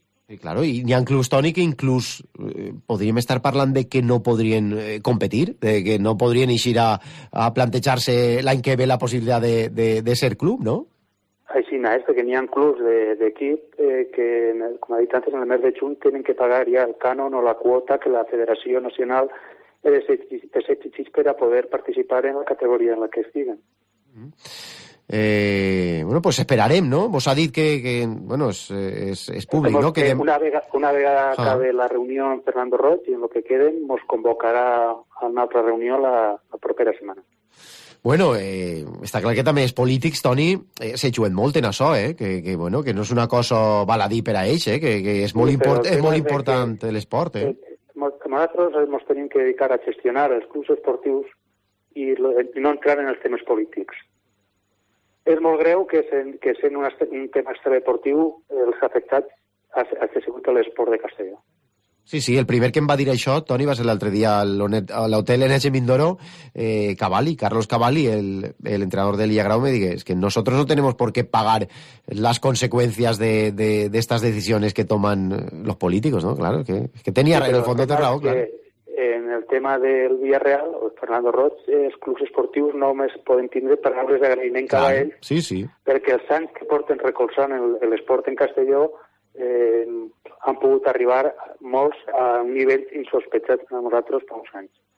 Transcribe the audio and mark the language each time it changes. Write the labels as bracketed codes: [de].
[ca] Sí, claro, i n'hi ha clubs, Toni, que inclús podríem estar parlant de que no podrien competir, de que no podrien eixir a plantejar-se l'any que ve la possibilitat de ser club, no? Així no és, perquè n'hi ha clubs d'equip que, com ha dit antes, en el mes de juny tenen que pagar ja el cànon o la quota que la Federació Nacional es exigeix per a poder participar en la categoria en la que estiguen. Bueno, pues esperarem, no? Vos ha dit que bueno, és públic, no? Que una vegada acabe la reunió amb Fernando Roig i en el que queden, mos convocarà a una altra reunió la propera setmana. Bueno, està clar que també els polítics, Toni, s'hi juguen molt en això, que, bueno, que no és una cosa baladí per a ells, que és molt, és molt important l'esport. Nosaltres ens hem de dedicar a gestionar els clubs esportius i no entrar en els temes polítics. És molt greu que sent un tema extradeportiu els afectats hagi sigut l'esport de Castelló. Sí, el primer que em va dir això, Toni, va ser l'altre dia a l'hotel NH Mindoro, Cavalli, Carlos Cavalli, el entrenador de Lilla Grau, me digue, [es] es que nosotros no tenemos por qué pagar las consecuencias de estas decisiones que toman los políticos, ¿no? Claro, que tenía sí, en el fondo terrao, claro. [ca] En el tema del Villarreal, Fernando Roig, els clubs esportius no més poden tindre paraules d'agraïment cap a ell, sí. Perquè els anys que porten recolzant l'esport en Castelló han pogut arribar molts a un nivell insospechat a nosaltres fa uns anys.